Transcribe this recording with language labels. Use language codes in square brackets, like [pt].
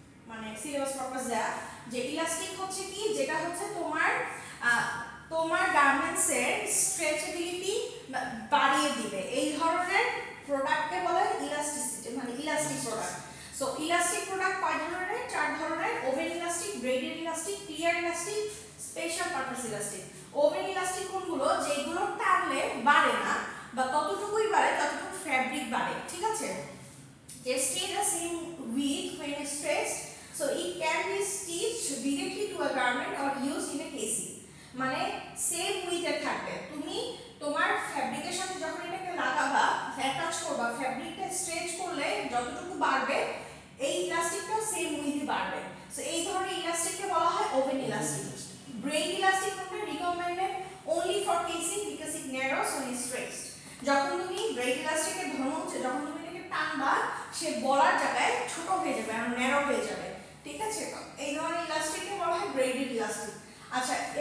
[bn] মানে syllabus purpose দেয়া যে ইলাস্টিক হচ্ছে কি যেটা হচ্ছে তোমার তোমার গার্মেন্টসের স্ট্রেচেবিলিটি বাড়িয়ে দিবে এই ধরনের প্রোডাক্টকে বলে ইলাস্টিসিটি মানে elastic product so elastic product কয় ধরনের চার ধরনের oven elastic braided elastic clear elastic special purpose elastic oven elastic কোনগুলো যেগুলো টানলে বাড়ে না বা ততটুকুই বাড়ে ততটুকু ফ্যাব্রিক বাড়ে ঠিক আছে [en] tested the same width when it's pressed. So it can be stitched directly to a garment or used in a casing. [bn] মানে সেম উইথে থাকবে তুমি তোমার ফ্যাব্রিকেশন যখন এটাকে লাগাবা অ্যাটাচ করবা ফ্যাব্রিকটা স্ট্রেচ করলে যতটুকু বাড়বে এই ইলাস্টিকটা সেম উইথে বাড়বে সো এই ধরনের ইলাস্টিককে বলা হয় ওপেন ইলাস্টিক ব্রেইন ইলাস্টিক হচ্ছে [en] recommended only for casing because it narrows on it stretch [bn] যখন তুমি ব্রেইন ইলাস্টিককে ধরো যখন তুমি এটাকে টানবা সে বলার জায়গায় ছোট হয়ে যাবে আর ন্যারো হয়ে যাবে ঠিক আছে এই ধরনের ইলাস্টিককে বলা হয় ব্রেইন ইলাস্টিক আচ্ছা